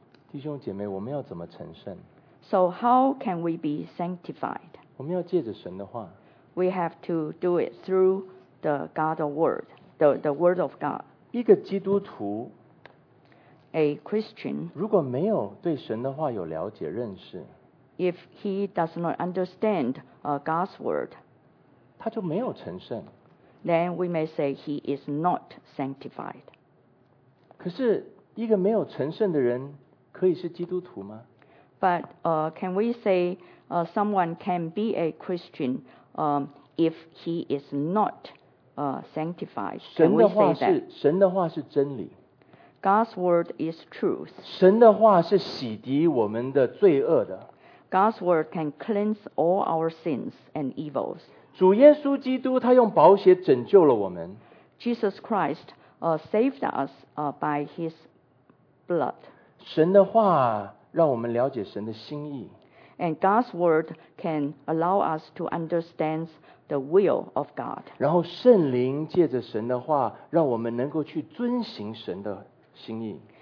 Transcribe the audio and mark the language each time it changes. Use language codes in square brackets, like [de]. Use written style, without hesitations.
[zh] 弟兄姐妹，我们要怎么成圣？ [en] So how can we be sanctified? [zh] 我们要借着神的话。 [en] We have to do it through the God of word, the word of God. [zh] 一个基督徒 [en] A Christian, [zh] 如果没有对神的话有了解认识， [en] if he does not understand God's word, [zh] 他就没有成圣， [en] then we may say he is not sanctified. [zh] 可是一个没有成圣的人可以是基督徒吗？ [en] But can we say someone can be a Christian if he is not sanctified? Can [zh] 神的话是, [en] we say that? [zh] 神的话是真理。 [en] God's word is truth. [zh] 神的话是洗涤我们的罪恶的。 [en] God's word can cleanse all our sins and evils. [zh] 主耶稣基督他用宝血拯救了我们。 [en] Jesus Christ saved us by his blood. [zh] 神的话让我们了解神的心意。 [en] And God's word can allow us to understand the will of God. [zh] 然后圣灵借着神的话让我们能够去遵行神的心意。